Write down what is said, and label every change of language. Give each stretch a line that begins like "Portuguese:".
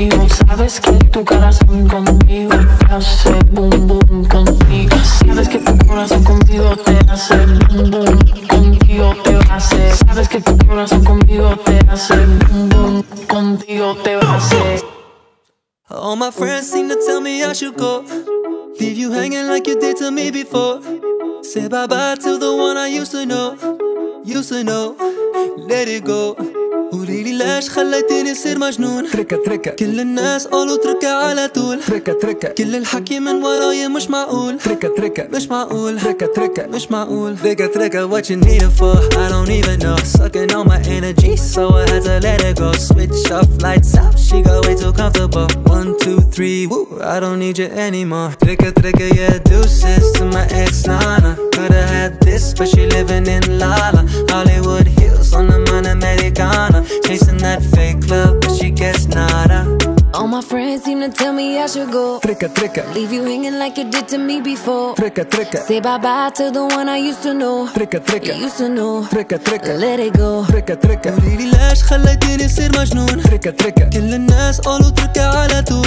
Spanish: Sabes que tu corazón conmigo hace boom boom contigo. Sabes que tu corazón conmigo te hace boom boom, contigo te va a hacer. Sabes que tu corazón conmigo te hace boom boom, contigo te va a hacer.
English: All my friends seem to tell me I should go, leave you hanging like you did to me before. Say bye bye to the one I used to know, used to know. Let it go.
Arabic: وليلي لاش خليتيني سير مجنون. تركا تركا كل الناس قالوا تركا على طول. تركا تركا كل الحكي من ورايا مش معقول. تركا تركا مش معقول. تركا تركا مش معقول. تركا تركا
English: what you need it for, I don't even know. Sucking all my energy so I had to let it go. Switch off lights off, she got way too comfortable. 1, 2, 3, woo, I don't need you anymore.
Arabic: تركا تركا
English: yeah, deuces to my ex Nana. Could've had this but she living in Lala. Hollywood heels on the Mana Americana. Chasing that fake love, but she gets nada. All my friends seem to tell me I should go.
Arabic: Tricka, tricka.
English: Leave you hanging like you did to me before.
Arabic: Tricka, tricka.
English: Say bye bye to the one I used to know.
Arabic: Tricka, tricka.
English: You used to know.
Arabic: Tricka, tricka.
English: Let it go.
Arabic: Tricka, tricka. وليلي لاش خليتيني سير مجنون. Tricka, tricka. كل الناس قالوا تركا على طول.